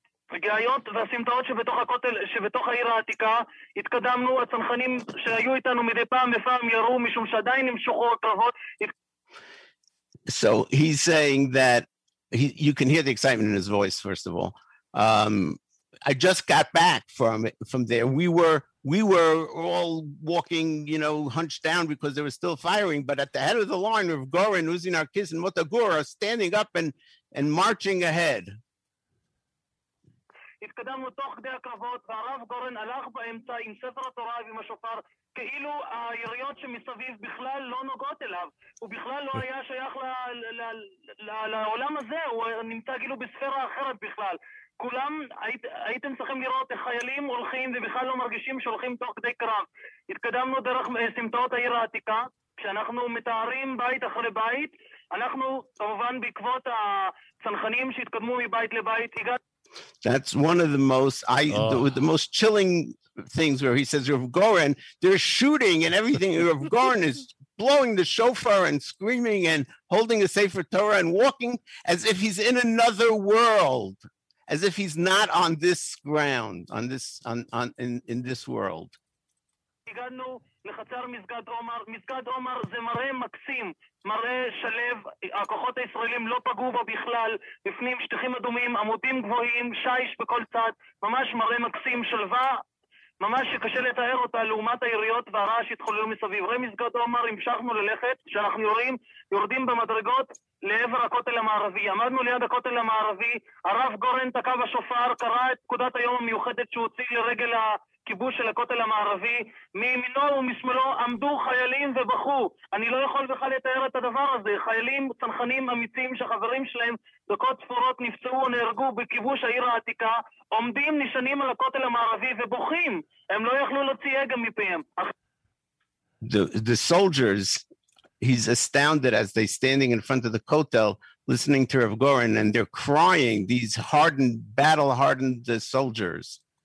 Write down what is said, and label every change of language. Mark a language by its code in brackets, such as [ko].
[he] הגאיות והסמטאות שבתוך הכותל, שבתוך העיר העתיקה. התקדמנו, הצנחנים שהיו איתנו מדי פעם לפעם ירו, משום שעדיין נמשכו הקרבות. [en] So he's saying that you can hear the excitement in his voice, first of all. I just got back from there. We were all walking, you know, hunched down because there was still firing, but at the head of the line of Goren, Uzi Narkis, and Motagura standing up and marching ahead. [he] התקדמנו תוך כדי הקרבות, והרב גורן הלך באמצע עם ספר התורה ועם השופר, כאילו היריות שמסביב בכלל לא נוגעות אליו. הוא בכלל לא היה שייך לעולם הזה, הוא נמצא כאילו בספירה אחרת בכלל. כולם, הייתם צריכים לראות איך חיילים הולכים ובכלל לא מרגישים שהולכים תוך כדי קרב. התקדמנו דרך סמטאות העיר העתיקה, כשאנחנו מתארים בית אחרי בית, אנחנו כמובן בעקבות הצנחנים שהתקדמו מבית לבית, הגענו... [en] That's one of the most chilling things where he says, Rav Goren, they're shooting and everything. Rav Goren is blowing the shofar and screaming and holding a Sefer Torah and walking as if he's in another world, as if he's not on this ground, in this world. [he] לחצר מסגד עומר, מסגד עומר זה מראה מקסים, מראה שלב, הכוחות הישראלים לא פגעו בו בכלל, בפנים שטחים אדומים, עמודים גבוהים, שיש בכל צד, ממש מראה מקסים, שלווה, ממש שקשה לתאר אותה לעומת העיריות והרעש שהתחוללו מסביב. מסגד עומר, המשכנו ללכת, שאנחנו יורדים במדרגות לעבר הכותל המערבי, עמדנו ליד הכותל המערבי, הרב גורן תקע בשופר, קרא את פקודת היום המיוחדת שהוציא לרגל ה... כיבוש של הכותל המערבי, מימינו ומשמאלו עמדו חיילים ובכו. אני לא יכול בכלל לתאר את הדבר הזה. חיילים צנחנים אמיצים שחברים שלהם דקות ספורות נפצעו או נהרגו בכיבוש העיר העתיקה, עומדים נשענים על הכותל המערבי ובוכים. הם לא יכלו להוציא גם מפיהם. [en] The soldiers, he's astounded as they standing in front of the kotel, listening to Rav Goren, and they're crying, these hardened, battle-hardened soldiers.